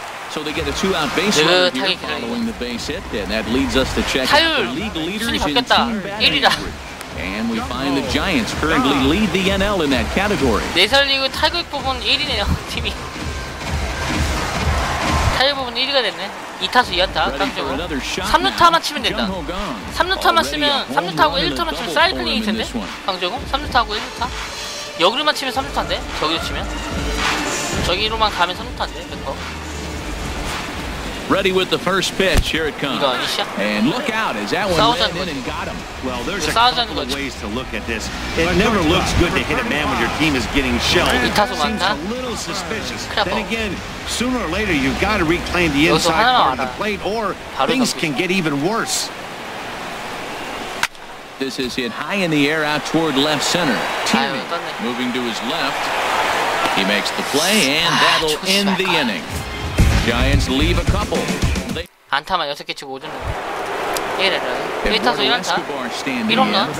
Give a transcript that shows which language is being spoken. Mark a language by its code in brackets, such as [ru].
[en] So they get a two-out base run here following the base hit, and that leads us to check out the league leaders in team batting average. And we find the Giants currently lead the NL in that category. [ko] 네설 리그 타격 부분 1위네요, 팀이. 타격 부분 1위가 됐네. 2타수 2안타, 강정호. 3루타만 치면 된다. 3루타만 쓰면, 3루타하고 1루타만 치면 사이클링이 된대, 강정호. 3루타하고 1루타. 역으로만 치면 3루타인데, 저기로 치면. 저기로만 가면 3루타인데, 100%. [en] Ready with the first pitch. Here it comes. And look out as that one went in and got him. Well, there's a couple of ways to look at this. It never looks good to hit a man when your team is getting shelled. It seems a little suspicious. Then again, sooner or later, you've got to reclaim the inside part of the plate, or things can get even worse. This is hit high in the air out toward left center. Timmy moving to his left. He makes the play, and that'll end the inning. Giants leave a couple. [ko] 안타만 6개 치고 오전에 1회를 1타수 1안타 1홈런